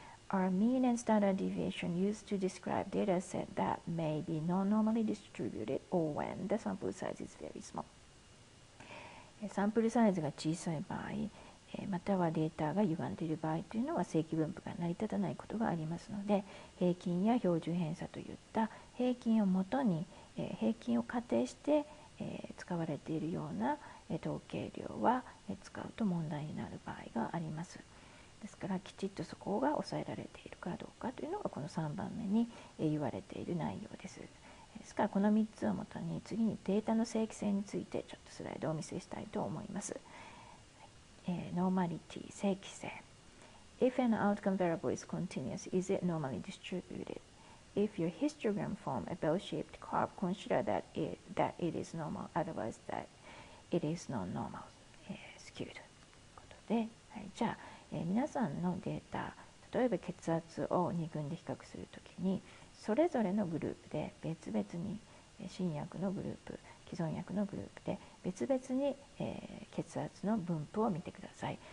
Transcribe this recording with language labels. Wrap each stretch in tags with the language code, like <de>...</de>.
<en>Are mean and standard deviation used to describe data set that may be non-normally distributed or when the sample size is very small?</en> <ja>サンプルサイズが小さい場合またはデータが歪んでいる場合というのは正規分布が成り立たないことがありますので平均や標準偏差といった平均をもとに平均を仮定して使われているような統計量は使うと問題になる場合があります。ですからきちっとそこが抑えられているかどうかというのがこの3番目に言われている内容です。ですからこの3つをもとに次にデータの正規性についてちょっとスライドをお見せしたいと思います。ノーマリティ、正規性。</ja> <en>If an outcome variable is continuous, is it normally distributed? If your histogram form a bell-shaped curve, consider that it is normal, otherwise that it is non-normal, skewed.</en> <ja>ということで、はい、じゃあ、皆さんのデータ、例えば血圧を2群で比較するときに、それぞれのグループで別々に、新薬のグループ、既存薬のグループで別々に、血圧の分布を見てください。</ja>